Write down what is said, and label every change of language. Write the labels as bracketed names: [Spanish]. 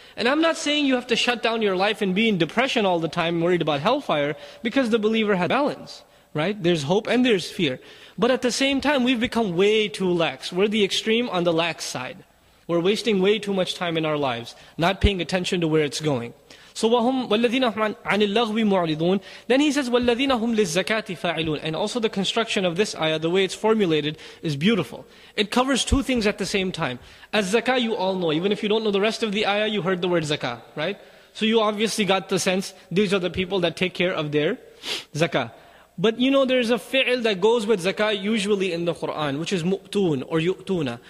[English] And I'm not saying you have to shut down your life and be in depression all the time, worried about hellfire, because the believer has balance, right? There's hope and there's fear. But at the same time, we've become way too lax. We're the extreme on the lax side. We're wasting way too much time in our lives, not paying attention to where it's going. So [Arabic] وَهُمْ وَالَّذِينَ هُمْ عَنِ اللَّغْوِ مُعْرِضُونَ. [English] Then he says, [Arabic] وَالَّذِينَ هُمْ لِلزَّكَاةِ فَاعِلُونَ. [English] And also the construction of this ayah, the way it's formulated, is beautiful. It covers two things at the same time. As zakah, you all know. Even if you don't know the rest of the ayah, you heard the word zakah, right? So you obviously got the sense, these are the people that take care of their zakah. But you know, there's a fi'il that goes with zakah usually in the Quran, which is mu'toon or yu'toona.